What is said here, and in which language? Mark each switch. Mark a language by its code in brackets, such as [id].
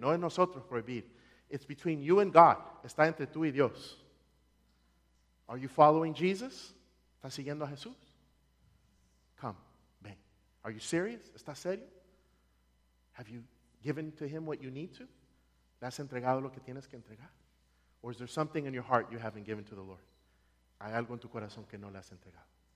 [es] No es nosotros prohibir. [en] It's between you and God. [es] Está entre tú y Dios. [en] Are you following Jesus? [es] ¿Estás siguiendo a Jesús? [en] Come, [es] ven. [en] Are you serious? [es] ¿Estás serio? [en] Have you given to him what you need to? [es] ¿Le has entregado lo que tienes que entregar? [en] Or is there something in your heart you haven't given to the Lord? [es] ¿Hay algo en tu corazón que no le has entregado?